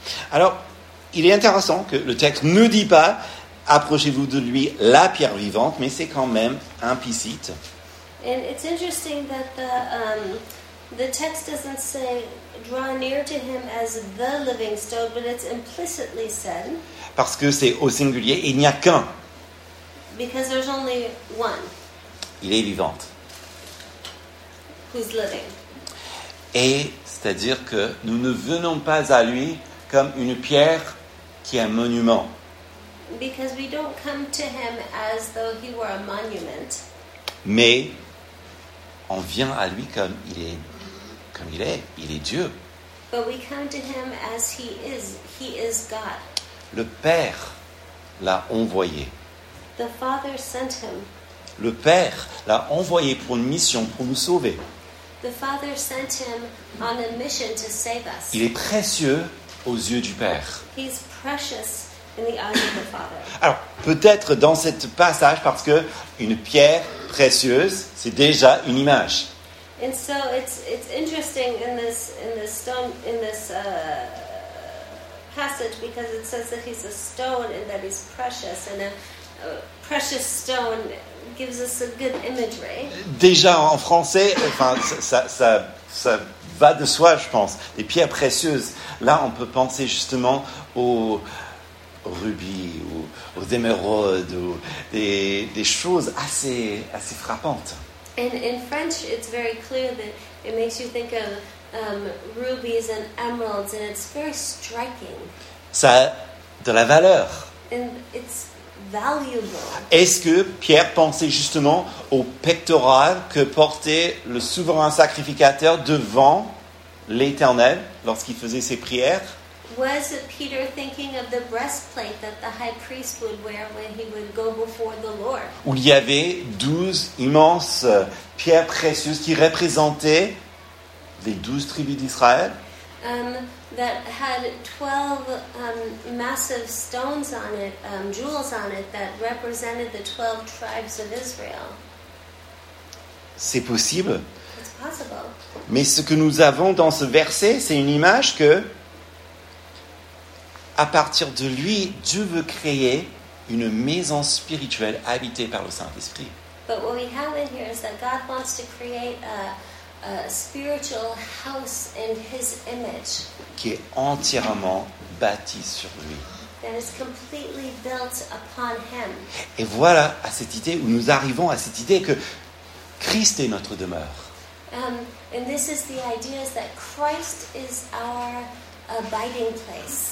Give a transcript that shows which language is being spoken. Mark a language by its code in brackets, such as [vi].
[fr] Alors, il est intéressant que le texte ne dit pas approchez-vous de lui, la pierre vivante, mais c'est quand même implicite. [en] And it's interesting that the text doesn't say draw near to him as the living stone, but it's implicitly said. [fr] Parce que c'est au singulier, il n'y a qu'un. [en] Because there's only one. [fr] Il est vivante. [en] Who's living. [fr] Et c'est-à-dire que nous ne venons pas à lui comme une pierre qui est un monument. [en] Because we don't come to him as though he were a monument. [fr] Mais on vient à lui comme il est. Comme il est Dieu. [en] But we come to him as he is God. [fr] Le Père l'a envoyé. [en] The Father sent him. [fr] Le Père l'a envoyé pour une mission, pour nous sauver. [en] The Father sent him on a mission to save us. [fr] Il est précieux aux yeux du Père. [en] He's precious in the eyes of the Father. [fr] Alors, peut-être dans ce passage, parce que une pierre précieuse, c'est déjà une image. [en] And so it's interesting in this stone, in this passage, because it says that he's a stone and that he's precious, and a precious stone gives us a good imagery. [fr] Déjà en français, enfin ça va de soi, je pense. Des pierres précieuses. Là, on peut penser justement aux rubis ou aux émeraudes ou des choses assez frappantes. [en] And in French, it's very clear that it makes you think of rubies and emeralds, and it's very striking. [fr] Ça a de la valeur. [en] And it's valuable. [fr] Est-ce que Pierre pensait justement au pectoral que portait le souverain sacrificateur devant l'Éternel lorsqu'il faisait ses prières? [en] Was Peter thinking of the breastplate that the high priest would wear when he would go before the Lord? [fr] Où il y avait 12 immenses pierres précieuses qui représentaient les 12 tribus d'Israël? [en] That had 12 massive stones on it, jewels on it, that represented the 12 tribes of Israel. [fr] C'est possible. [en] It's possible. [fr] Mais ce que nous avons dans ce verset, c'est une image que, à partir de lui, Dieu veut créer une maison spirituelle habitée par le Saint-Esprit. [en] But what we have in here is that God wants to create a spiritual house in his image. [fr] Qui est entièrement bâti sur lui. [en] That is completely built upon him. [fr] Et voilà à cette idée où nous arrivons à cette idée que Christ est notre demeure. [en] And this is the idea is that Christ is our abiding place.